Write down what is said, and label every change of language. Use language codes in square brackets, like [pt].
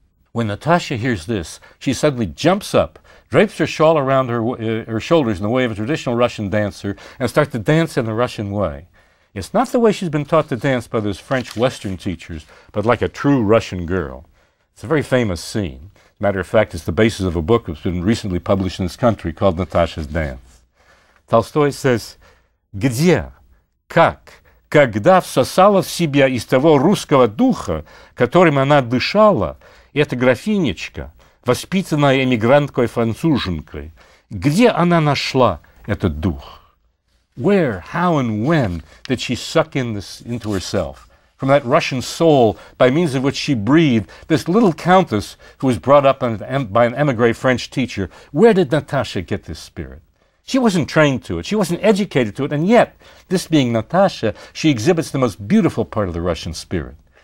[en] When Natasha hears this, she suddenly jumps up, drapes her shawl around her shoulders in the way of a traditional Russian dancer, and starts to dance in the Russian way. It's not the way she's been taught to dance by those French Western teachers, but like a true Russian girl. It's a very famous scene. As a matter of fact, it's the basis of a book that's been recently published in this country called Natasha's Dance. Tolstoy says, [ru] «Где? Как?» Когда всосала в себя из того русского духа, которым она дышала, эта графинечка, воспитанная эмигранткой-француженкой, где она нашла этот дух? [en] Where, how, and when did she suck in this into herself? From that Russian soul by means of which she breathed, this little countess who was brought up by an emigre French teacher, where did Natasha get this spirit? She wasn't trained to it. She wasn't educated to it. And yet, this being Natasha, she exhibits the most beautiful part of the Russian spirit.